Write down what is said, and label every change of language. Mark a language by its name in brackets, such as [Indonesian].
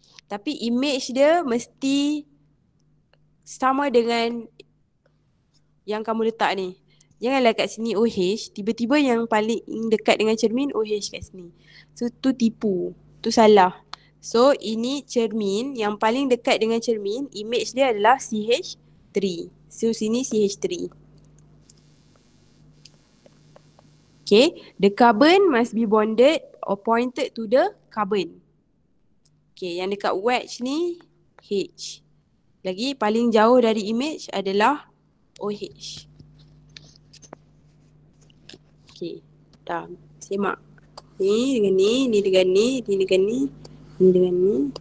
[Malay] Tapi image dia mesti sama dengan yang kamu letak ni. Janganlah kat sini OH, tiba-tiba yang paling dekat dengan cermin OH kat sini. So tu tipu, tu salah. So ini cermin, yang paling dekat dengan cermin, image dia adalah CH3. So sini CH3. [English] Okay, the carbon must be bonded or pointed to the carbon. [Malay] Okay, yang dekat wedge ni H. Lagi paling jauh dari image adalah OH. Okay, dah semak. Ni dengan ni, ni dengan ni, ni dengan ni, ni dengan ni.